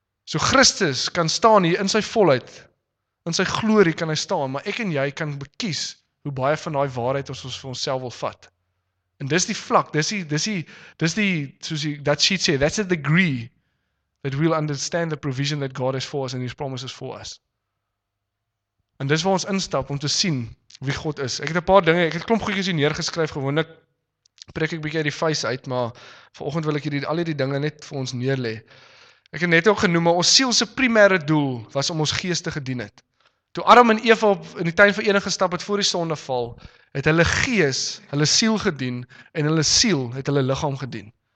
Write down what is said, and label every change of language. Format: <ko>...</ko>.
<af>So Christus kan staan hier in sy volheid, in sy glorie kan hy staan, maar ek en jy kan bekies hoe baie van die waarheid ons vir onsself wil vat. En dis die vlak, dis die, soos die,</af> <en>that sheet sê, that's the degree that we'll understand the provision that God has for us and his promises for us.</en> <af>En dis waar ons instap om te sien wie God is. Ek het 'n paar dinge, ek het klomp goedjies hier neergeskryf, gewoonlik preek ek bietjie uit die vuis uit, maar vanoggend wil ek hierdie al hierdie dinge net vir ons neerlê. Ek het net ook genoem, maar ons siel se primêre doel was om ons gees te gedien het. Toe Adam en Eva op in die tuin van Eden gestap het voor die sondeval, het hulle gees, hulle siel gedien en hulle siel het hulle liggaam gedien.</af>